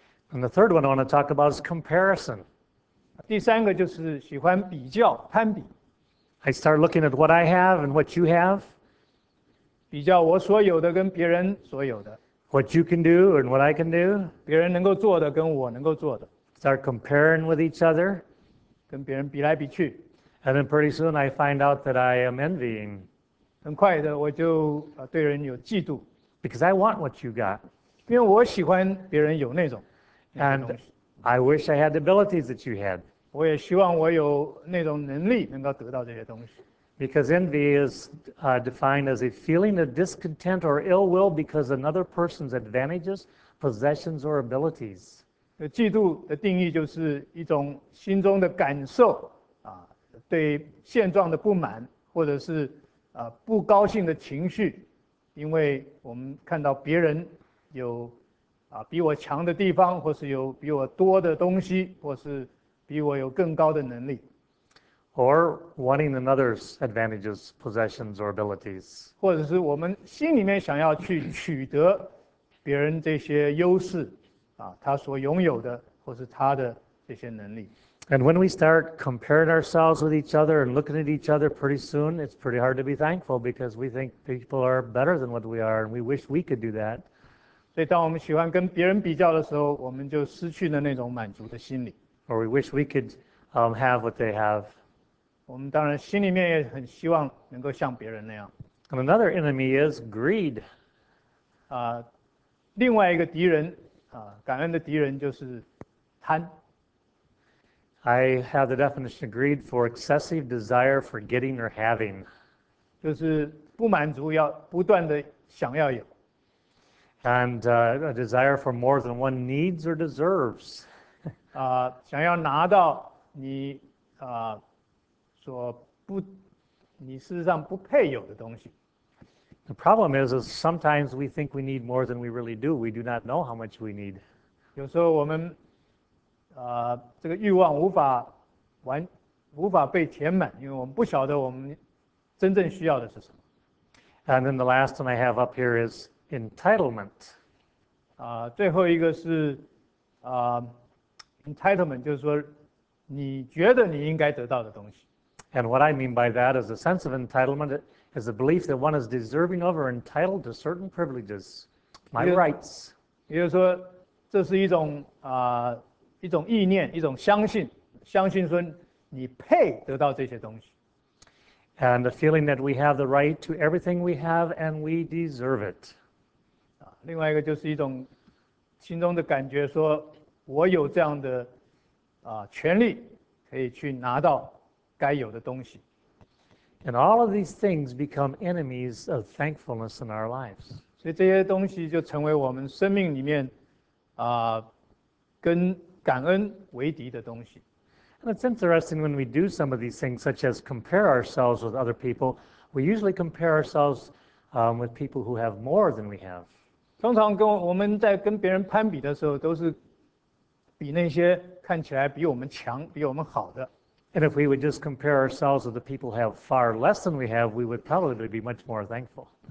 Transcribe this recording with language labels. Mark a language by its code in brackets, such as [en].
[en] And the third one I want to talk about is comparison. [zh] 第三个就是喜欢比较、攀比。 [en] I start looking at what I have and what you have. [zh] 比较我所有的跟别人所有的。 [en] What you can do and what I can do. [zh] 别人能够做的跟我能够做的。 [en] Start comparing with each other. [zh] 跟别人比来比去。 [en] And then pretty soon I find out that I am envying. [zh] 很快的我就对人有嫉妒。 [en] Because I want what you got. [zh] 因为我喜欢别人有那种。 [en] And I wish I had the abilities that you had. [zh] 我也希望我有那种能力能够得到这些东西。 [en] Because envy is defined as a feeling of discontent or ill will because another person's advantages, possessions, or abilities. [zh] 嫉妒的定义就是一种心中的感受、对现状的不满或者是、不高兴的情绪，因为我们看到别人有、比我强的地方，或是有比我多的东西，或是比我有更高的能力。 [en] Or wanting another's advantages, possessions, or abilities. [zh] 或者是我们心里面想要去取得别人这些优势、他所拥有的或是他的这些能力。 [en] And when we start comparing ourselves with each other and looking at each other pretty soon, it's pretty hard to be thankful because we think people are better than what we are and we wish we could do that. [zh] 所以当我们喜欢跟别人比较的时候，我们就失去了那种满足的心理。 [en] Or we wish we could have what they have. [zh] 我们当然心里面也很希望能够像别人那样。 [en] And another enemy is greed. [zh] 另外一个敌人、感恩的敌人就是贪。 [en] I have the definition of greed for excessive desire for getting or having. [zh] 就是不满足要不断的想要有。 [en] And a desire for more than one needs or deserves. [zh] 想要拿到你、所不，你事实上不配有的东西。 [en] The problem is sometimes we think we need more than we really do. We do not know how much we need. [zh] 有时候我们，这个欲望无法被填满，因为我们不晓得我们真正需要的是什么。 [en] And then the last one I have up here is entitlement. [zh] 最后一个是，entitlement 就是说，你觉得你应该得到的东西。 [en] And what I mean by that is a sense of entitlement is a belief that one is deserving of or entitled to certain privileges, my rights. [zh] 也就是说，这是一种、一种意念，一种相信，相信说你配得到这些东西。 [en] And a feeling that we have the right to everything we have and we deserve it. [zh] 另外一个就是一种心中的感觉，说我有这样的、权利可以去拿到。该有的东西。 [en] And all of these things become enemies of thankfulness in our lives. [zh] 所以这些东西就成为我们生命里面、跟感恩为敌的东西。 [en] And it's interesting when we do some of these things, such as compare ourselves with other people, we usually compare ourselves、with people who have more than we have. [zh] 通常跟我们在跟别人攀比的时候，都是比那些看起来比我们强、比我们好的。 [en] And if we would just compare ourselves with the people who have far less than we have, we would probably be much more thankful.